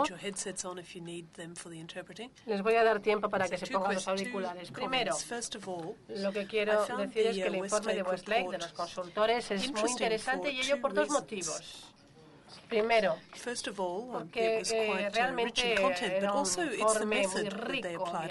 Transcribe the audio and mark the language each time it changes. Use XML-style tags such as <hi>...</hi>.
<en>Put your headsets on if you need them for the interpreting.</en> <es>Les voy a dar tiempo para que se pongan los auriculares. Primero,</es> <en>first of all,</en> <es>lo que quiero decir es que el informe de Westlake de los consultores es muy interesante y ello por dos motivos. Primero,</es> <en>first of all, porque, it was quite rich in content, but also it's the method that they applied.</en>